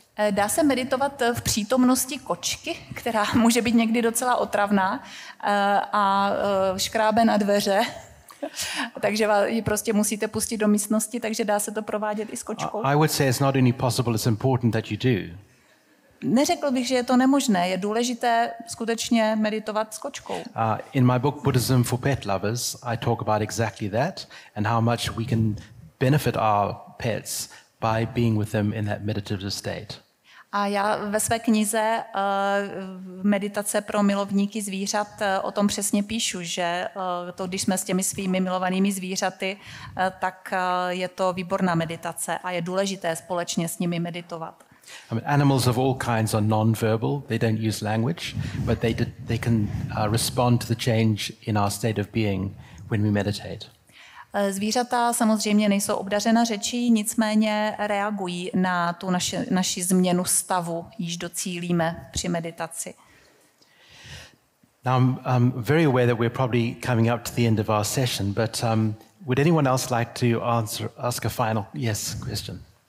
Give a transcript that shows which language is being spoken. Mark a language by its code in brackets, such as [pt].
[cs] Dá se meditovat v přítomnosti kočky, která může být někdy docela otravná a škrábe na dveře, takže ji prostě musíte pustit do místnosti, takže dá se to provádět i s kočkou. [en] I would say it's not only possible, it's important that you do. [cs] Neřekl bych, že je to nemožné, je důležité skutečně meditovat s kočkou. [en] In my book Buddhism for Pet Lovers, I talk about exactly that and how much we can benefit our pets by being with them in that meditative state. [cs] A já ve své knize Meditace pro milovníky zvířat o tom přesně píšu, že to, když jsme s těmi svými milovanými zvířaty, tak je to výborná meditace a je důležité společně s nimi meditovat. [en] I mean, animals of all kinds are non-verbal, they don't use language, but they can respond to the change in our state of being when we meditate. [cs] Zvířata samozřejmě nejsou obdařena řečí, nicméně reagují na tu naši změnu stavu, již docílíme při meditaci. [en] Now I'm very aware that we're probably coming up to the end of our session, but would anyone else like to ask a final yes question?